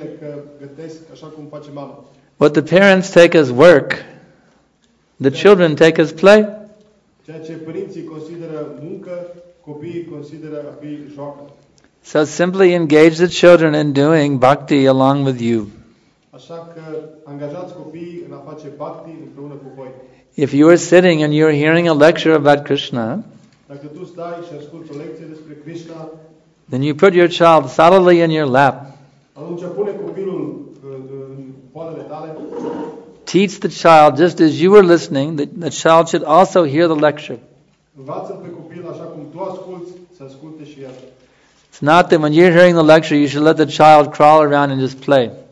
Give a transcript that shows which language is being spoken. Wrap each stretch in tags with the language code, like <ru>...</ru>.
<en>What the parents take as work, the children take as play. So simply engage the children in doing bhakti along with you.</en> <ro>Așa că angajați copiii în a face bhakti împreună cu voi.</ro> <en>If you are sitting and you are hearing a lecture about Krishna,</en> <ro>dacă tu stai și asculți o lecție despre Krishna,</ro> <en>then you put your child solidly in your lap.</en> <ro>Atunci pune copilul în poalele tale.</ro> <en>Teach the child just as you were listening, the child should also hear the lecture.</en> <ro>Învață-l pe copil așa cum tu asculți, să asculte și el.</ro> <en>It's not that when you're hearing the lecture, you should let the child crawl around and just play.</en>